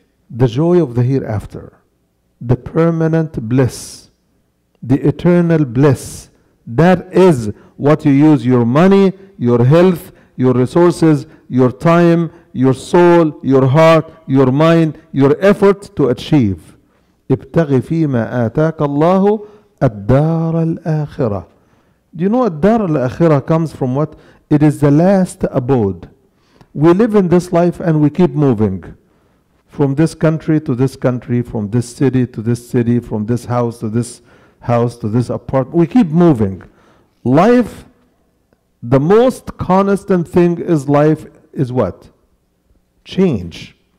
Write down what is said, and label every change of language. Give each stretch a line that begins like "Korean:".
English: The joy of the hereafter. The permanent bliss. The eternal bliss. That is what you use your money, your health, your resources, your time, your soul, your heart, your mind, your effort to achieve.
Arabic: ابْتَغِ فِيمَا آتَاكَ اللَّهُ الدَّارَ الْآخِرَةِ.
English: Do you know
Arabic: الدَّارَ الْآخِرَةِ
English: comes from what? It is the last abode. We live in this life and we keep moving. From this country to this country, from this city to this city, from this house to this house, to this apartment. We keep moving. Life, the most constant thing is life is what? Change.